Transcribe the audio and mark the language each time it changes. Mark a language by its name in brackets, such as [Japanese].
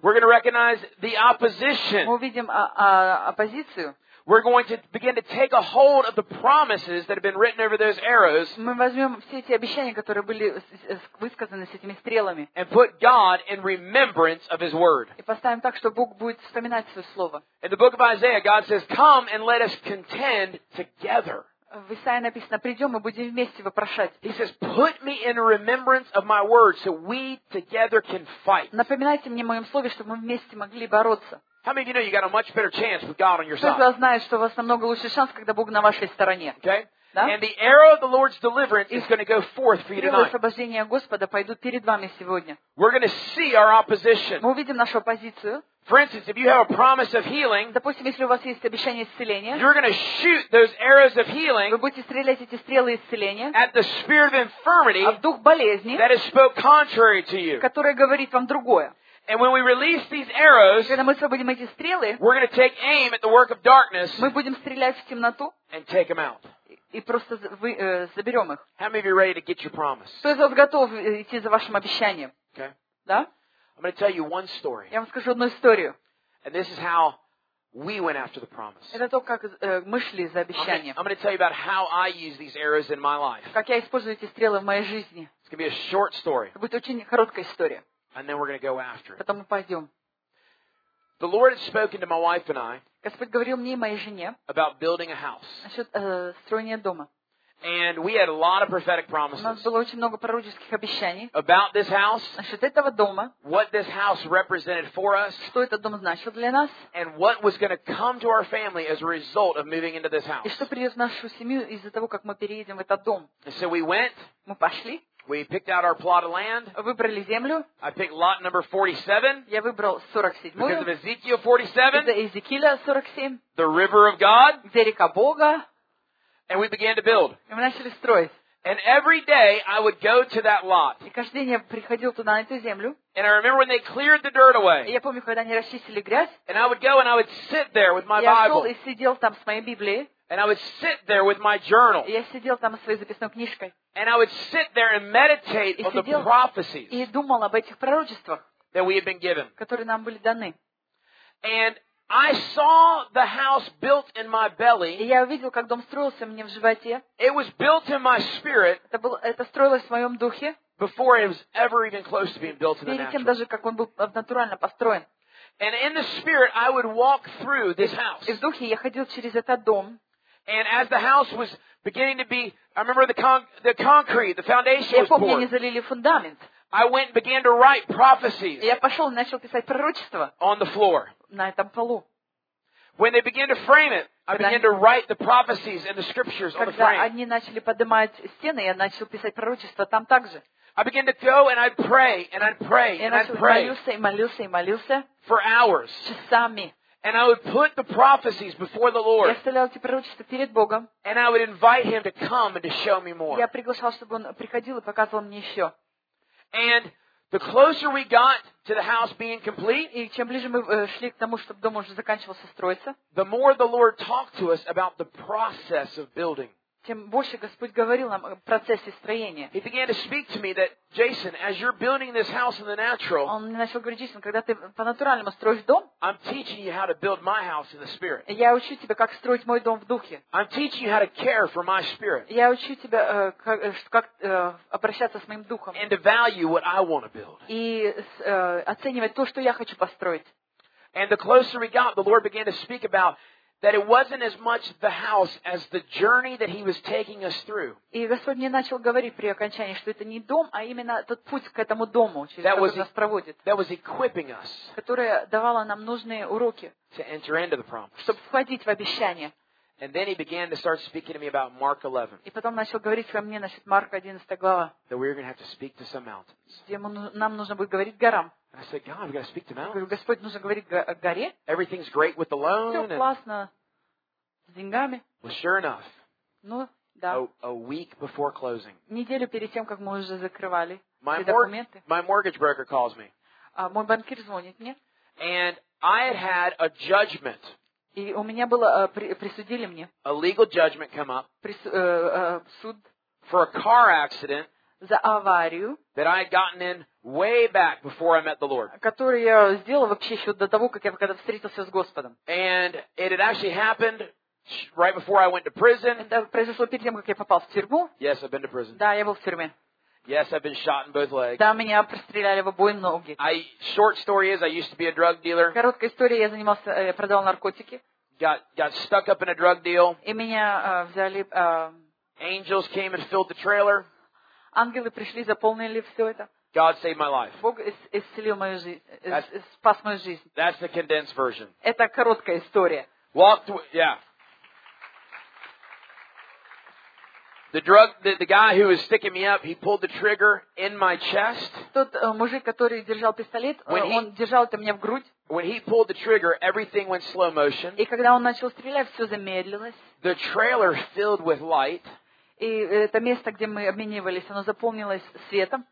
[English] We're going to recognize the opposition. [Russian] Мы увидим оппозицию. [English] We're going to begin to take a hold of the promises that have been written over those arrows. [Russian] Мы возьмем все эти обещания, которые были высказаны с этими стрелами. [English] And put God in remembrance of His word. [Russian] И поставим так, что Бог будет вспоминать свое слово. [English] In the book of Isaiah, God says, "Come and let us contend together." [Russian] В Исаии написано: "Придем, мы будем вместе вопрошать." [English] He says, "Put me in remembrance of my word, so we together can fight." [Russian] Напоминайте мне моем слове, чтобы мы вместе могли бороться. [English] How many of you know you got a much better chance with God on your side? [Russian] Кто знает, что у вас намного лучше шанс, когда Бог на вашей стороне. [English] Okay. [Russian] Да? [English] And the arrow of the Lord's deliverance is going to go forth for you tonight. [Russian] Стрелы освобождения Господа пойдут перед вами сегодня. [English] We're going to see our opposition. [Russian] Мы увидим нашу оппозицию. [English] For instance, if you have a promise of healing, [Russian] допустим, если у вас есть обещание исцеления, [English] you're going to shoot those arrows of healing. [Russian] Вы будете стрелять эти стрелы исцеления. [English] At the spirit of infirmity. [Russian] В дух болезни. [English] That has spoke contrary to you. [Russian] Которая говорит вам другое. [English] And when we release these arrows, [Russian] когда мы освободим эти стрелы, [English] we're going to take aim at the work of darkness. [Russian] Мы будем стрелять в темноту. [English] And take them out. [Russian] И просто заберем их. [English] How many of you are ready to get your promise? [Russian] Кто из вас готов идти за вашим обещанием? [English] Okay. [Russian] Да? [English] I'm going to tell you one story. [Russian] Я вам скажу одну историю. [English] And this is how we went after the promise. [Russian] Это то, как мы шли за обещанием. [English] I'm going to tell you about how I use these arrows in my life. [Russian] Как я использую эти стрелы в моей жизни. [English] It's going to be a short story. [Russian] Это будет очень короткая история. [English] And then we're going to go after it. [Russian] Потом мы пойдем. [English] The Lord has spoken to my wife and I. [Russian] Господь говорил мне и моей жене. [English] About building a house. [Russian] Насчет строения дома. [English] And we had a lot of prophetic promises. [Russian] У нас было очень много пророческих обещаний. [English] About this house. [Russian] Насчет этого дома. [English] What this house represented for us. [Russian] Что этот дом значил для нас. [English] And what was going to come to our family as a result of moving into this house. [Russian] И что придет в нашу семью из-за того, как мы переедем в этот дом. [English] And so we went. [Russian] Мы пошли. [English] We picked out our plot of land. [Russian] Выбрали землю. [English] I picked lot number 47. [Russian] Я выбрал 47. [English] Because of Ezekiel 47. [Russian] Это Иезекииля 47. [English] The river of God. [Russian] Где река Бога. [English] And we began to build. [Russian] И мы начали строить. [English] And every day I would go to that lot. [Russian] И каждый день я приходил туда на эту землю. [English] And I remember when they cleared the dirt away. [Russian] И я помню, когда они расчистили грязь. [English] And I would go and I would sit there with my Bible. [Russian] Я шел и сидел там с моей Библией. [English] And I would sit there with my journal. [Russian] Я сидел там со своей записной книжкой. [English] And I would sit there and meditate on the prophecies. [Russian] И думал об этих пророчествах. [English] That we had been given. [Russian] Которые нам были даны. [English] And I saw the house built in my belly. [Russian] И я увидел, как дом строился мне в животе. [English] It was built in my spirit. [Russian] Это строилось в моем духе. [English] Before it was ever even close to being built in the natural. [Russian] Перед тем даже, как он был натурально построен. [English] And in the spirit, I would walk through this house. [Russian] И в духе я ходил через этот дом. [English] And as the house was beginning to be, I remember the concrete, the foundation was poured. [Russian] Я помню, залили фундамент. [English] I went and began to write prophecies. [Russian] Я пошел и начал писать пророчества. [English] On the floor. [Russian] На этом полу. [English] When they began to frame it, I began to write the prophecies and the scriptures on the frame. [Russian] Когда они начали поднимать стены, я начал писать пророчества там также. [English] I began to go and I'd pray and I'd pray and I'd pray. [Russian] Молился и молился и молился. [English] For hours. [Russian] Часами. [English] And I would put the prophecies before the Lord. [Russian] Я ставил эти пророчества перед Богом. [English] And I would invite Him to come and to show me more. [Russian] Я приглашал, чтобы Он приходил и показывал мне еще. [English] And the closer we got to the house being complete, [Russian] и чем ближе мы шли к тому, чтобы дом уже заканчивался строиться, [English] the more the Lord talked to us about the process of building. [Russian] Тем больше Господь говорил нам о процессе строения. [English] He began to speak to me that, Jason, as you're building this house in the natural, [Russian] он мне начал говорить, Джейсон, когда ты по-натуральному строишь дом, [English] I'm teaching you how to build my house in the spirit. [Russian] Я учу тебя, как строить мой дом в духе. [English] I'm teaching you how to care for my spirit. [Russian] Я учу тебя, как обращаться с моим духом. [English] And to value what I want to build. [Russian] И оценивать то, что я хочу построить. [English] And the closer we got, the Lord began to speak about that it wasn't as much the house as the journey that he was taking us through. [Russian] И Господь мне начал говорить при окончании, что это не дом, а именно тот путь к этому дому, через который нас проводит. [English] That was equipping us. [Russian] Которая давала нам нужные уроки. [English] To enter into the promise. [Russian] Чтобы входить в обещание. [English] And then he began to start speaking to me about Mark 11. [Russian] И потом начал говорить ко мне насчет Марка 11 глава. [English] That we're going to have to speak to some mountains. [Russian] Где нам нужно будет говорить горам. [English] I said, God, we've got to speak to mountains. [Russian] Говорю, Господь, нужно говорить горе. [English] Everything's great with the loan. [Russian] Все классно с деньгами. [English] Well, sure enough. [Russian] Ну, да. [English] A week before closing. [Russian] Неделю перед тем, как мы уже закрывали [English] my [Russian] документы. [English] My mortgage broker calls me. [Russian] Мой банкир звонит мне. [English] And I had had a judgment. [Russian] И у меня было присудили мне. [English] A legal judgment come up. [Russian] Суд. [English] For a car accident. [Russian] За аварию. [English] That I had gotten in way back before I met the Lord. [Russian] Который я сделал вообще еще до того, как я когда встретился с Господом. [English] And it had actually happened right before I went to prison. [Russian] Это произошло перед тем, как я попал в тюрьму. [English] Yes, I've been to prison. [Russian] Да, я был в тюрьме. [English] Yes, I've been shot in both legs. [Russian] Да, меня простреляли в обе ноги. [English] Short story is, I used to be a drug dealer. [Russian] Короткая история, я занимался, продавал наркотики. [English] Got stuck up in a drug deal. [Russian] И меня взяли. [English] Angels came and filled the trailer. [Russian] Ангелы пришли, заполнили все это. [English] God saved my life. [Russian] Бог исцелил мою жизнь, спас мою жизнь. [English] That's the condensed version. [Russian] Это короткая история. [English] Walked, yeah. The guy who was sticking me up, he pulled the trigger in my chest. [Russian] Тот мужик, который держал пистолет, он держал это мне в грудь. [English] When he pulled the trigger, everything went slow motion. [Russian] И когда он начал стрелять, все замедлилось. [English] The trailer filled with light. [Russian] И это место, где мы обменивались, оно заполнилось светом.